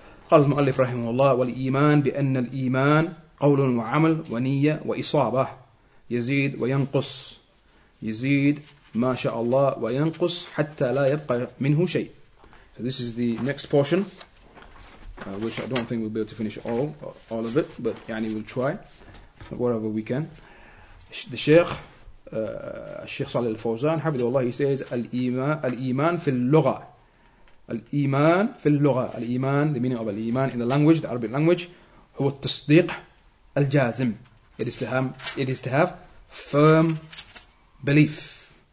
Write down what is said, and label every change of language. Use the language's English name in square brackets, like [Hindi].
[Arabic] قال المؤلف رحمه الله والإيمان بأن الإيمان قول وعمل ونية وإصابة يزيد وينقص يزيد ما شاء الله وينقص حتى لا يبقى منه شيء. [English] So this is the next portion, which I don't think we'll be able to finish all of it, but يعني we'll try whatever we can. The Sheikh [Arabic] الشيخ صالح الفوزان حفظه الله, [English] he says [Arabic] الإيمان في اللغة. الإيمان في اللغة الإيمان, [English] the meaning of الإيمان in the language, the Arabic language, [Arabic] هو التصديق الجازم. [English] It is to have firm belief.